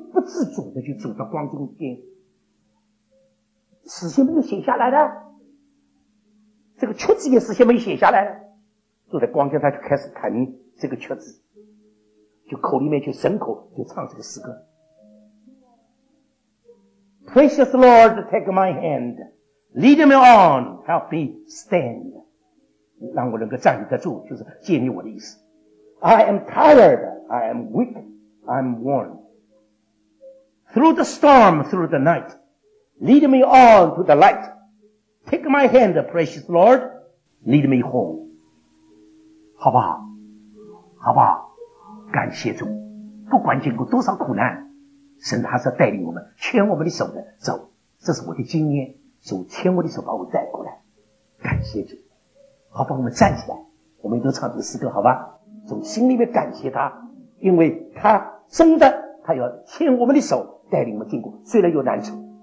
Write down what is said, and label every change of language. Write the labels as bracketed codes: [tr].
[zh] 自主的就走到光中间，死先没有写下来的，这个曲子也死先没有写下来的，坐在光中他就开始弹这个曲子，就口里面就神口就唱这个诗歌。 [en] Precious Lord, take my hand, lead me on, help me stand, [zh] 让我能够站立得住，就是建立我的意思。 [en] I am tired, I am weak, I am worn,Through the storm, through the night, lead me on to the light. Take my hand, precious Lord, lead me home. [zh] 好不好？好不好？感谢主，不管经过多少苦难，神还是要带领我们，牵我们的手的走。这是我的经验，主牵我的手把我带过来，感谢主。好，帮我们站起来，我们都唱这个诗歌好吧，从心里面感谢他，因为他真的他要牵我们的手带领我们经过，虽然有难处。